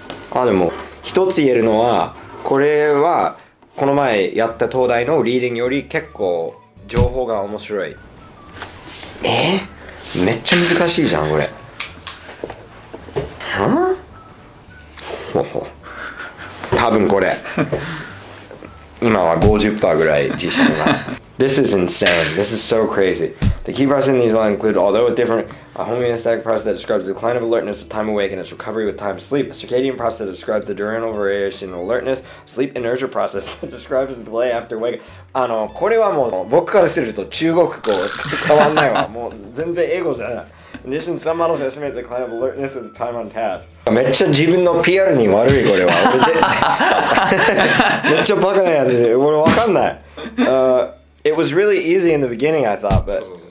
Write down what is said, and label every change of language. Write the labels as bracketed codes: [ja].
[ja] ああ、でも、一つ言えるのは、これは、この前やった東大のリーディングより結構、情報が面白い。めっちゃ難しいじゃん、これ。はぁ？ほほ。多分これ。今は 50% ぐらい自信あります。 [en] This is insane. This is so crazy. The key parts in these will include, although a different, a homeostatic process that describes the decline of alertness with time awake and its recovery with time sleep, a circadian process that describes the diurnal variation in alertness, sleep inertia process that describes the delay after wake. [ja] あの、これはもう僕からすると中国語と変わんないわ。もう全然英語じゃない。 [en] In addition, some models estimate the decline of alertness with time on task. [ja] めっちゃ自分の PR に悪いこれは。めっちゃバカなやつで、俺わかんない。 [en] It was really easy in the beginning, I thought, but...